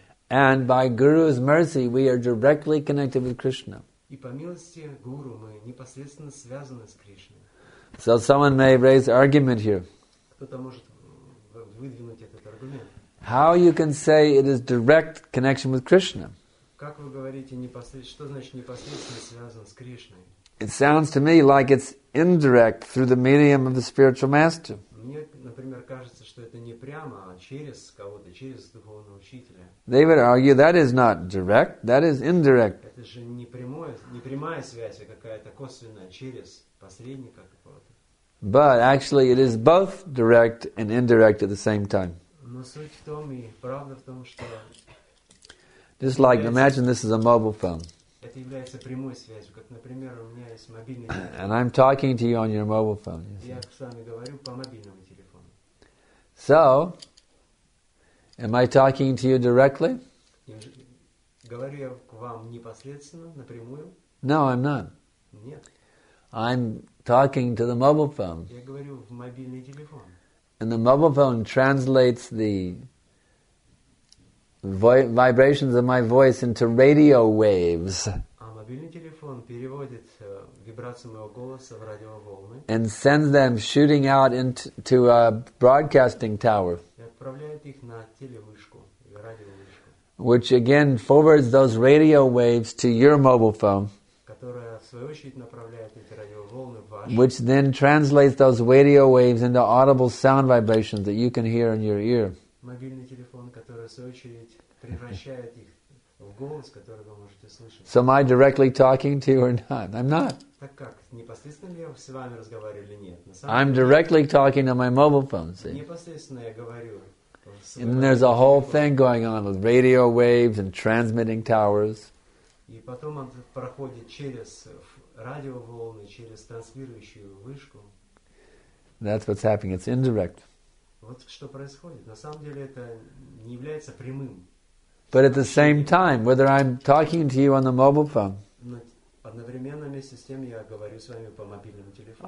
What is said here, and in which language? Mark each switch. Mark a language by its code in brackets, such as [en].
[en] And by Guru's mercy, we are directly connected with Krishna. [ru] И по милости гуру мы непосредственно связаны с Кришной. [en] So someone may raise argument here. [ru] Кто-то может выдвинуть этот аргумент. [en] How you can say it is direct connection with Krishna? [ru] Как вы говорите что значит непосредственно связан с Кришной? [en] It sounds to me like it's indirect through the medium of the spiritual master. [ru] Мне, например, кажется, что это не прямо, а через кого-то, через духовного учителя. [en] They would argue that is not direct, that is indirect. [ru] Это же не прямое, не прямая связь, а какая-то косвенная через посредника какого-то. [en] But actually, it is both direct and indirect at the same time. [ru] Но суть в том и правда в том, что. [en] Just like, imagine this is a mobile phone. [ru] Это является прямой связью, как, например, у меня есть мобильный телефон. [en] And I'm talking to you on your mobile phone. [ru] Я с вами говорю по мобильному телефону. [en] So, am I talking to you directly? [ru] Говорю я к вам непосредственно, напрямую? [en] No, I'm not. [ru] Нет. [en] I'm talking to the mobile phone. [ru] Я говорю в мобильный телефон. [en] And the mobile phone translates the vibrations of my voice into radio waves. [ru] А мобильный телефон переводит вибрации моего голоса в радиоволны. [en] And sends them shooting out into a broadcasting tower. [ru] И отправляет их на телевышку, радиовышку. [en] Which again forwards those radio waves to your mobile phone. [ru] Которая в свою очередь направляет эти радиоволны в ваш. [en] Which then translates those radio waves into audible sound vibrations that you can hear in your ear. [ru] Мобильный телефон, который в свою очередь превращает их в голос, который вы можете слышать. [en] So am I directly talking to you or not? I'm not. [ru] Так как, непосредственно ли я с вами разговариваю или нет? [en] I'm directly talking to my mobile phone, see. [ru] Непосредственно я говорю. [en] And then there's a whole thing going on with radio waves and transmitting towers. [ru] И потом он проходит через радиоволны, через транслирующую вышку. [en] That's what's happening. It's indirect. [ru] Вот что происходит. На самом деле это не является прямым. [en] But at the same time, whether I'm talking to you on the mobile phone, [ru] одновременно вместе с тем я говорю с вами по мобильному телефону,